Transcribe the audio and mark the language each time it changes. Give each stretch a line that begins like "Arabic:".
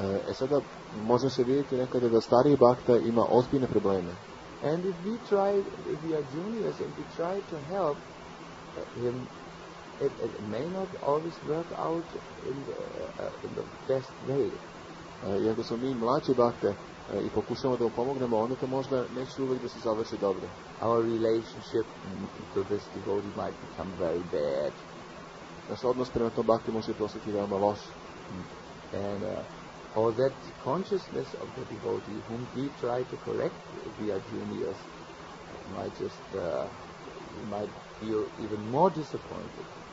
Serbian: E sada može se vidjeti nekada da stariji bakta ima ozbiljne probleme.
English: And if we try, if we are juniors and we try to help him, it may not always work out in the best way.
Serbian: I ako smo mi mlađi bakte i pokušamo da mu pomognemo, onda to možda neće uvek da se završi dobro.
English: Our relationship to this devotee might become very bad.
Serbian: Naš odnos prema tom bakte može postati veoma loš.
English: And or that consciousness of the devotee whom we try to correct via juniors might just might feel even more disappointed.